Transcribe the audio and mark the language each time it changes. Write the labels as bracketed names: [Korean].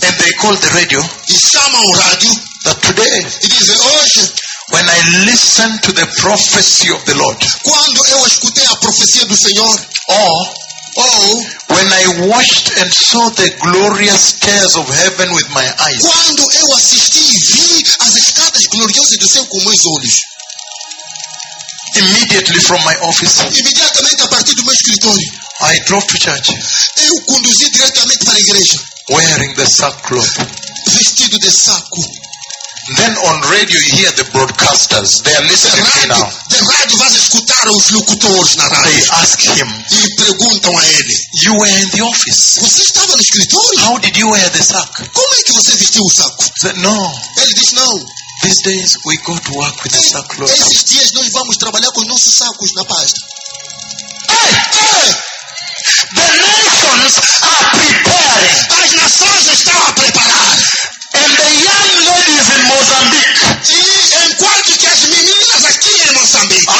[English] And they call the radio. [Portuguese] E chamam o rádio. [English] That today. [Portuguese] E dizem hoje. [English] When I listen to the prophecy of the Lord. [Portuguese] Quando eu escutei a profecia do Senhor. [English] Or. Oh, when I watched and saw the glorious stairs of heaven with my eyes. [Portuguese] Quando eu assisti e vi as escadas gloriosas do céu com meus olhos. [English] Immediately from my office. [Portuguese] Imediatamente a partir do meu escritório. [English] I drove to church. [Portuguese] Eu conduzi diretamente para a igreja. [English] Wearing the sackcloth. [Portuguese] Vestido de saco. [English] Then on radio you hear the broadcasters. They are listening the radio, to me now. [Portuguese] The rádio vai escutar os locutores na rádio. [English] They ask him. [Portuguese] E perguntam a ele. [English] You were in the office. [Portuguese] Você estava no escritório? [English] How did you wear the sack? [Portuguese] Como é que você vestiu o saco? [English] That, no. [Portuguese] Ele disse não. [English] These days we go to work with the sackcloth. [Portuguese] Esses dias nós vamos trabalhar com nossos sacos na pasta. Ei! Ei! [English] The nations are preparing. [Portuguese] As nações estão a preparar. [English] And the young ladies in Mozambique. [Portuguese] E enquanto que as meninas aqui em Moçambique